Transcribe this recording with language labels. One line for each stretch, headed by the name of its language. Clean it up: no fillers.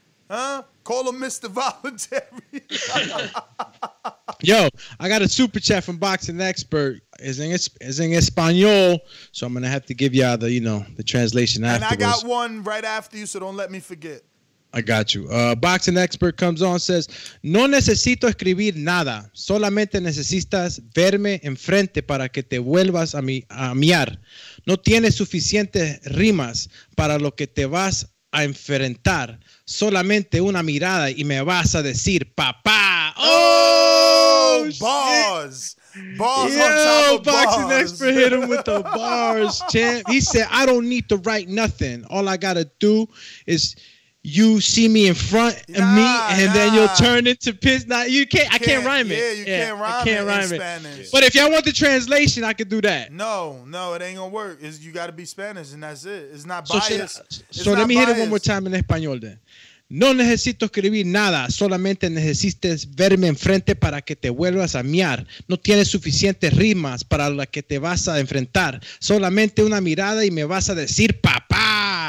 English: Huh? Call him Mr. Voluntary. Yo, I got a super chat from Boxing Expert. It's in Espanol, so I'm going to have to give y'all the translation afterwards. And I got one right after you, so don't let me forget. I got you. Boxing Expert comes on, says,
Spanish: no necesito escribir nada. Solamente necesitas verme enfrente para que te vuelvas a miar. No tienes suficientes rimas para lo que te vas a enfrentar. Solamente una mirada y me vas a decir, papá.
English: ¡Oh! bars. Bars, yo, on top of boxing bars. Expert hit him with the bars, champ. He said, I don't need to write nothing. All I gotta do is you see me in front of me, and then you'll turn into piss. Now, you can't, I can't rhyme it. Yeah, you can't rhyme it. I can't rhyme it. Spanish. But if y'all want the translation, I could do that. No, no, it ain't gonna work. It's, you gotta be Spanish, and that's it. It's not biased. So, should, so let me hit it one more time in Espanol then.
Spanish: No necesito escribir nada, solamente necesites verme enfrente para que te vuelvas a miar. No tienes suficientes rimas para la que te vas a enfrentar. Solamente una mirada y me vas a decir papá.